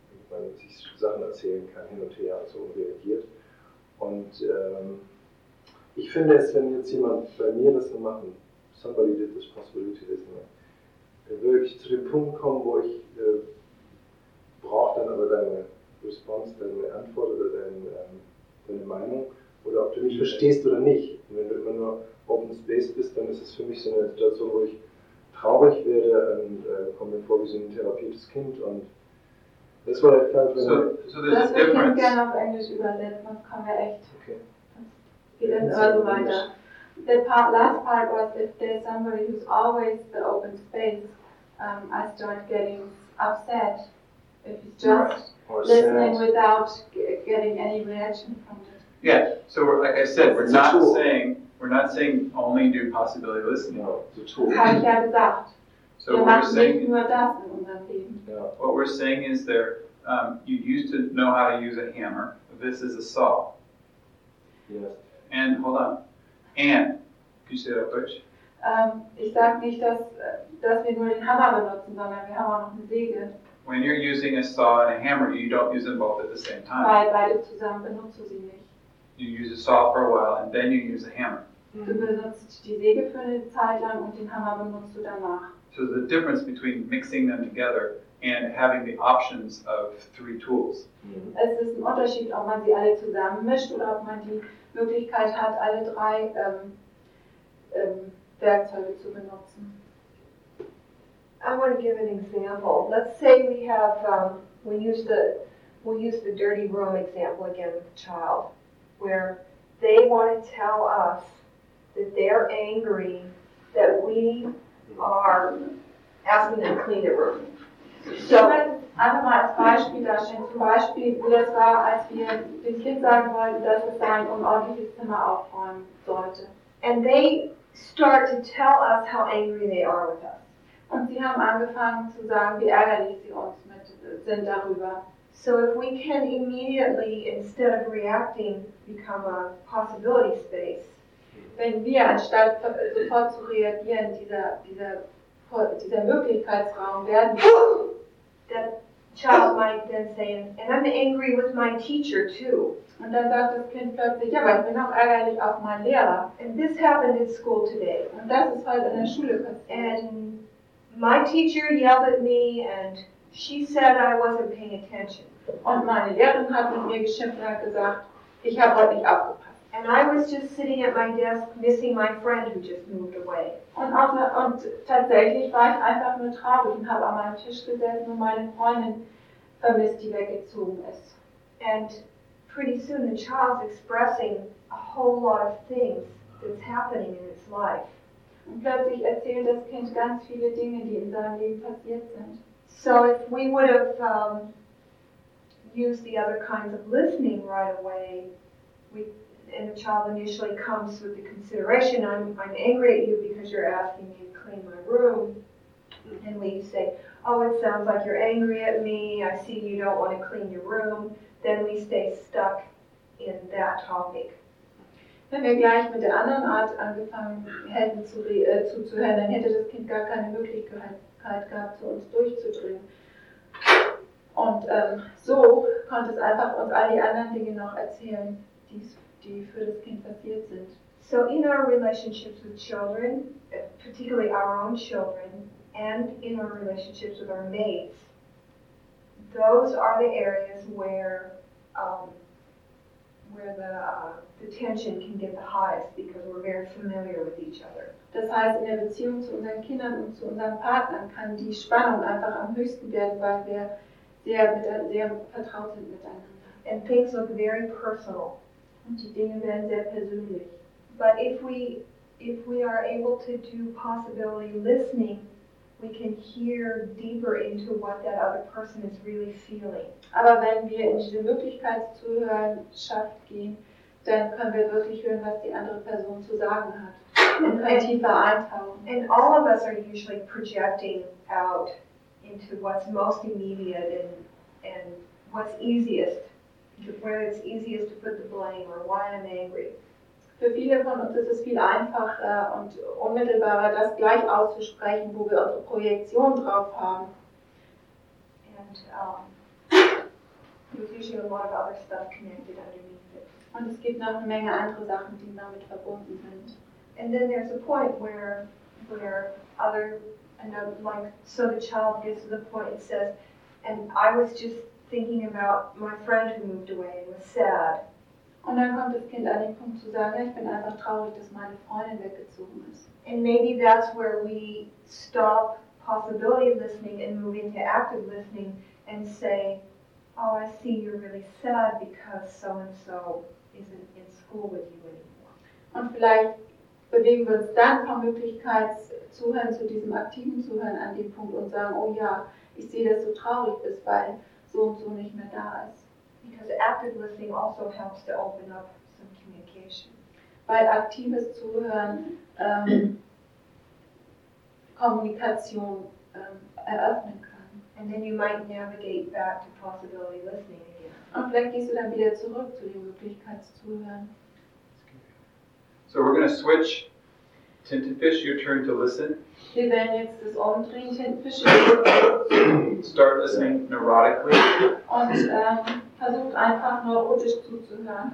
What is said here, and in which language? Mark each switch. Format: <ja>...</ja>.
<de>Und man sich Sachen erzählen kann, hin und her und so reagiert. Und ich finde es, wenn jetzt jemand bei mir das so machen,</de> <en>somebody did this possibility,</en> <de>würde ich zu dem Punkt kommen, wo ich brauche dann aber deine Response, deine Antwort oder deine Meinung, oder ob du mich verstehst oder nicht. Und wenn du immer nur Open Space bist, dann ist es für mich so eine Situation, wo ich traurig werde und komme mir vor wie so ein therapiertes Kind. Und das war der Fall, wenn so das würde ich gerne auf Englisch übersetzen, das kann ja echt. Okay. Geht dann also weiter.</de> <en>The part, last part was, if there's somebody who's always the open space, I start getting upset. If it's just listening sad. Without getting any reaction from it. Yeah, so we're, like I said, we're not tool. Saying, we're not saying only do possibility listening. No, it's a tool.</en> <de>Habe ich ja gesagt.</de> <en>So what we're saying,</en> <de>nur das in unserem Leben.</de> <en>What we're saying is there, you used to know how to use a hammer, this is a saw. Yes. And, hold on. And, can you say that, Butch?</en> <de>Ich sage nicht, dass wir nur den Hammer benutzen, sondern wir haben auch noch eine Säge.</de> <en>When you're using a saw and a hammer, you don't use them both at the same time.</en> <de>Weil beide zusammen benutzt du sie nicht.</de> <en>You use a saw for a while and then you use a hammer.</en> <de>Du benutzt die Säge für eine Zeit lang und den Hammer benutzt du danach.</de> <en>So the difference between mixing them together and having the options of three tools. Mm-hmm.</en> <de>Es ist ein Unterschied, ob man sie alle zusammen mischt oder ob man die Möglichkeit hat, alle drei Werkzeuge zu benutzen.</de> <en>I want to give an example. Let's say we have we use the dirty room example again with the child, where they want to tell us that they're angry that we are asking them to clean their room.</en> <de>So ich würde einfach mal als Beispiel darstellen, zum Beispiel, wie das war, als wir dem Kind sagen wollten, dass es ein unordentliches Zimmer aufräumen sollte.</de> <en>And they start to tell us how angry they are with us.</en> <de>Und sie haben angefangen zu sagen, wie ärgerlich sie uns mit sind darüber.</de> <en>So if we can immediately, instead of reacting, become a possibility space.</en> <de>Wenn wir anstatt sofort zu reagieren, dieser Möglichkeitsraum werden.</de> <en>That child might then say, and I'm angry with my teacher too.</en> <de>Und dann sagt das Kind plötzlich, ja, aber ich bin auch ärgerlich auf meinen Lehrer.</de> <en>And this happened in school today.</en> <de>Und das ist heute in der Schule passiert.</de> <en>And my teacher yelled at me and she said I wasn't paying attention.</en> <de>Und meine Lehrerin hat mit mir geschimpft und hat gesagt, ich habe heute nicht aufgepasst.</de> <en>And I was just sitting at my desk, missing my friend who just moved away.</en> <de>Und tatsächlich war ich einfach nur traurig und habe an meinem Tisch gesessen und meine Freundin vermisst, die weggezogen ist.</de> <en>And pretty soon the child's expressing a whole lot of things that's happening in his life.</en> <de>Und plötzlich erzählt das Kind ganz viele Dinge, die in seinem Leben passiert sind.</de> <en>So if we would have used the other kinds of listening right away, and the child initially comes with the consideration, I'm angry at you because you're asking me to clean my room. And we say, oh, it sounds like you're angry at me. I see you don't want to clean your room. Then we stay stuck in that topic.</en> <de>Wenn wir gleich mit der anderen Art angefangen hätten zuzuhören, dann hätte das Kind gar keine Möglichkeit gehabt, zu uns durchzudringen. Und so konnte es einfach uns all die anderen Dinge noch erzählen, die für das Kind passiert sind.</de> <en>So in our relationships with children, particularly our own children, and in our relationships with our mates, those are the areas where the tension can get the highest because we're very familiar with each other.</en> <de>Das heißt, in der Beziehung zu unseren Kindern und zu unseren Partnern kann die Spannung einfach am höchsten werden, weil wir sehr vertraut sind miteinander.</de> <en>And things look very personal.</en> <de>Und die Dinge werden sehr persönlich.</de> <en>But if we are able to do possibility listening, we can hear deeper into what that other person is really feeling.</en> <de>Aber wenn wir in diese Möglichkeitszuhörerschaft gehen, dann können wir wirklich hören, was die andere Person zu sagen hat. Und können tiefer eintauchen.</de> <en>And all of us are usually projecting out into what's most immediate and what's easiest, where it's easiest to put the blame or why I'm angry.</en> <de>Für viele von uns ist es viel einfacher und unmittelbarer, das gleich auszusprechen, wo wir unsere Projektion drauf haben.</de> <en>And there's usually a lot of other stuff connected underneath it.</en> <de>Und es gibt noch eine Menge andere Sachen, die damit verbunden sind.</de> <en>And then there's a point where other, and like, so the child gets to the point and says, and I was just thinking about my friend who moved away and was sad.</en> <de>Und dann kommt das Kind an den Punkt zu sagen, ich bin einfach traurig, dass meine Freundin weggezogen ist.</de> <en>And maybe that's where we stop possibility of listening and move into active listening and say, oh, I see you're really sad because so-and-so isn't in school with you anymore.</en> <de>Und vielleicht bewegen wir uns dann vom Möglichkeitszuhören zu diesem aktiven Zuhören an den Punkt und sagen, oh ja, ich sehe, dass du traurig bist, weil so-und-so nicht mehr da ist.</de> <en>Because active listening also helps to open up some communication.</en> <de>Weil aktives Zuhören Kommunikation eröffnen kann.</de> <en>And then you might navigate back to possibility listening again.</en> <de>Und vielleicht gehst du dann wieder zurück zu dem Möglichkeitszuhören.</de> <en>So we're going to switch. Tintenfisch, your turn to listen.</en> <de>Wir werden jetzt das umdrehen, Tintenfisch.</de> <en>Start listening neurotically.</en> <de>Und versucht einfach neurotisch zuzuhören.</de>